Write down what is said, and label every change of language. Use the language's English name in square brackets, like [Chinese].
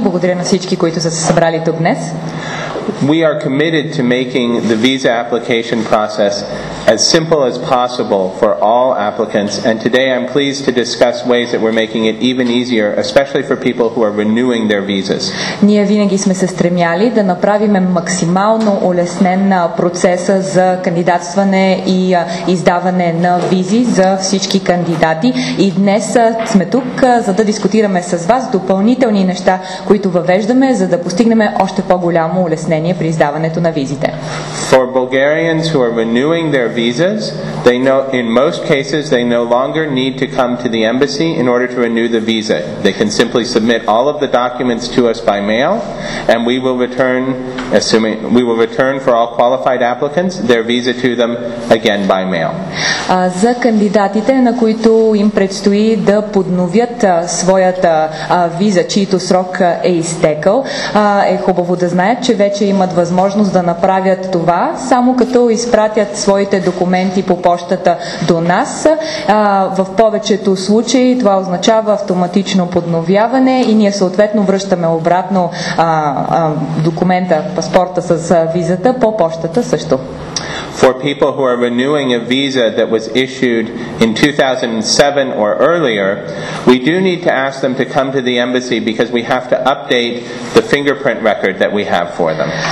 [Bulgarian] Благодаря на всички, които са се събрали тук днес. [English] We are committed to making the visa application process as simple as possible for all applicants, and today I'm pleased to discuss ways that we're making it even easier, especially for people who are renewing their visas. [Bulgarian] Ние винаги сме се стремяли да направим максимално улеснен процеса за кандидатстване и издаване на визи за всички кандидати и днес сме тук, за да дискутираме с вас допълнителни неща, които въвеждаме, за да постигнем още по-голямо улеснение при издаването на визите. [English] For Bulgarians who are renewing their visas, they know in most cases they no longer need to come to the embassy in order to renew the visa. They can simply submit all of the documents to us by mail, and we will return, assuming we will return for all qualified applicants, their visa to them again by mail. [Bulgarian] За кандидатите, на които им предстои да подновят своята виза, чийто срок е изтекъл, е хубаво да знаят, че вече имат възможност да направят това, само като изпратят своите документи по пощата до нас. В повечето случаи това означава автоматично подновяване и ние съответно връщаме обратно документа, паспорта с визата по пощата също. [English] For people who are renewing a visa that was issued in 2007 or earlier, we do need to ask them to come to the embassy because we have to update the fingerprint record that we have for them.